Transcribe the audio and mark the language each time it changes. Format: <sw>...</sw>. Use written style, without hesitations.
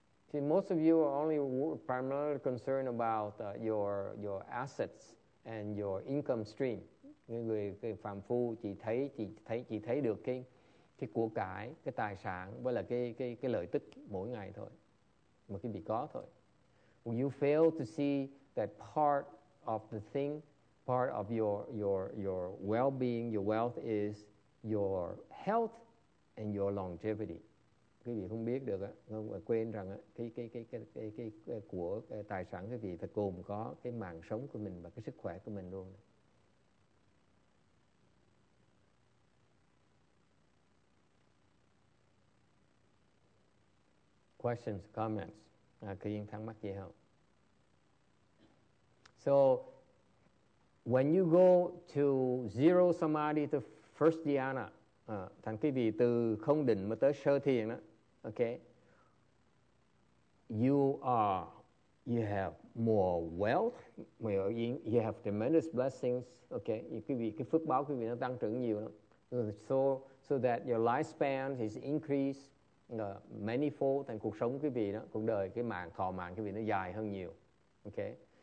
<en>See, most of you are only primarily concerned about your assets and your income stream.</en> <vi>Người phàm phu chỉ thấy được cái của cải, cái tài sản với là cái lợi tức mỗi ngày thôi, mà quý vị có thôi.</vi> <en>You fail to see that part of the thing, part of your well-being, your wealth is your health and your longevity.</en> <vi>Quý vị không biết được á, quên rằng á, cái của cái tài sản quý vị phải gồm có cái mạng sống của mình và cái sức khỏe của mình luôn.</vi> <en>Questions, comments.</en> <vi>Có những thắc mắc gì không?</vi> <en>So, when you go to zero samadhi to first dhyana,</en> <vi>thành quý vị từ không định mà tới sơ thiền đó, okay,</vi> <en>you have more wealth, you have tremendous blessings, okay,</en> <vi>quý vị cái phước báo quý vị nó tăng trưởng nhiều lắm.</vi> <en>So that your lifespan is increased many fold,</en> <vi>thành cuộc sống quý vị đó, cuộc đời cái mạng thọ mạng quý vị nó dài hơn nhiều, okay.</vi>